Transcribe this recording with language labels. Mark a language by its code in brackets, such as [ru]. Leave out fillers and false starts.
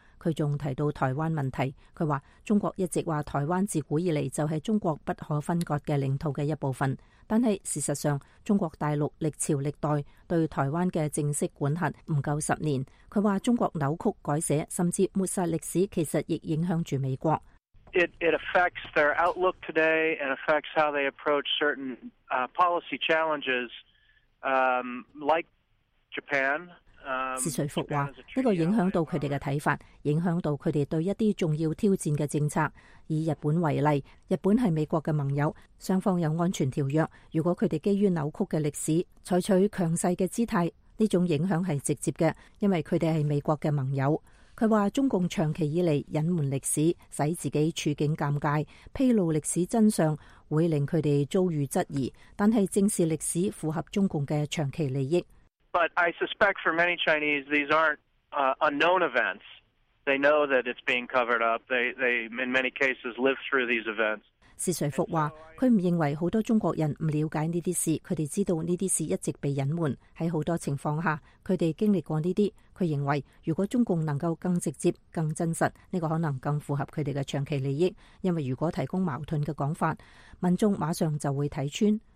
[zh] 他还提到台湾问题，他说中国一直说台湾自古以来就是中国不可分割的领土的一部分，但是事实上中国大陆历朝历代对台湾的正式管辖不够十年。他说中国扭曲改写甚至抹杀历史其实亦影响着美国。 [en] It affects their outlook today and affects how they approach certain policy challenges, like Japan. [zh] 施瑞福说这个影响到他们的看法，影响到他们对一些重要挑战的政策。以日本为例，日本是美国的盟友，双方有安全条约，如果他们基于扭曲的历史采取强势的姿态，这种影响是直接的，因为他们是美国的盟友。他说中共长期以来隐瞒历史，使自己处境尴尬，披露历史真相会令他们遭遇质疑，但是正视历史符合中共的长期利益。 [en] But I suspect for many Chinese, these aren't unknown events. They know that it's being covered up. They in many cases live through these events. [zh] 施瑞福说他不认为很多中国人不了解这些事，他们知道这些事一直被隐瞒，在很多情况下他们经历过这些。他认为如果中共能够更直接更真实，这个可能更符合他们的长期利益，因为如果提供矛盾的讲法，民众马上就会看穿。